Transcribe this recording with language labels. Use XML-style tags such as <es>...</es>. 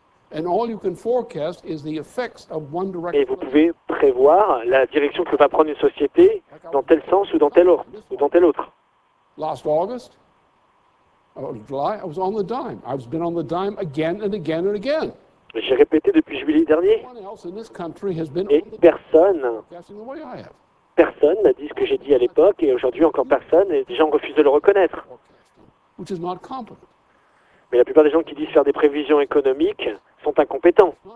<fr>Et vous pouvez prévoir la direction que va prendre une société dans tel sens ou dans tel autre.</fr> <en>Last August. July, I was on the dime. I've been on the dime again and again and again.</en> <fr>J'ai répété depuis juillet dernier, et personne n'a dit ce que j'ai dit à l'époque, et aujourd'hui encore personne, et des gens refusent de le reconnaître. Mais la plupart des gens qui disent faire des prévisions économiques sont incompétents.</fr>